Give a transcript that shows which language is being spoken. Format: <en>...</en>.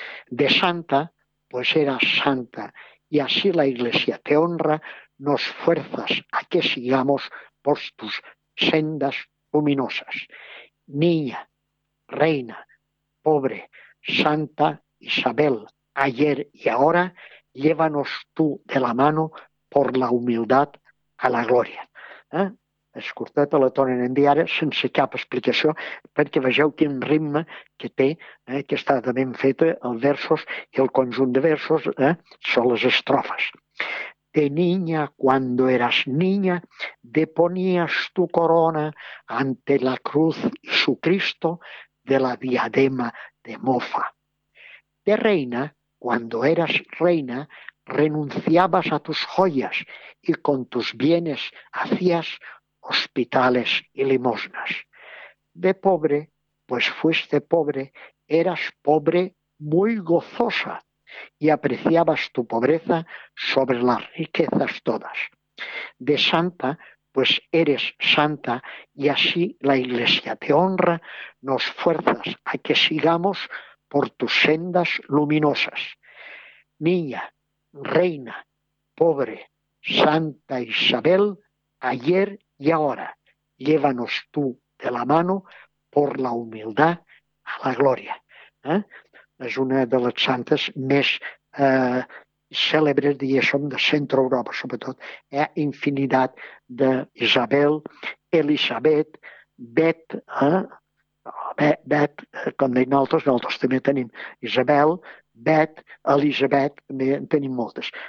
<es>De santa, pues era santa, y así la Iglesia te honra, nos fuerzas a que sigamos por tus sendas luminosas. Niña, reina, pobre, Santa Isabel, ayer y ahora, llévanos tú de la mano por la humildad a la gloria.</es> <ca>És curteta, la tornen a enviar sense cap explicació, perquè vegeu quin ritme que té, que està de ben feta, els versos i el conjunt de versos són les estrofes.</ca> <es>De niña, cuando eras niña, deponías tu corona ante la cruz y su Cristo de la diadema de mofa. De reina, cuando eras reina, renunciabas a tus joyas y con tus bienes hacías hospitales y limosnas. De pobre, pues fuiste pobre, eras pobre muy gozosa y apreciabas tu pobreza sobre las riquezas todas. De santa, pues eres santa y así la Iglesia te honra, nos fuerzas a que sigamos por tus sendas luminosas. Niña, reina, pobre, Santa Isabel, ayer y ahora, llévanos tú de la mano por la humildad a la gloria.</es> <ca>És una de les santes més cèlebres, diguéssim, de Centro Europa, sobretot. Hi ha infinitat d'Isabel, Elisabet, Bet, Bet, com deien altres, nosaltres també tenim Isabel, Bet, Elisabet, també en tenim moltes.</ca>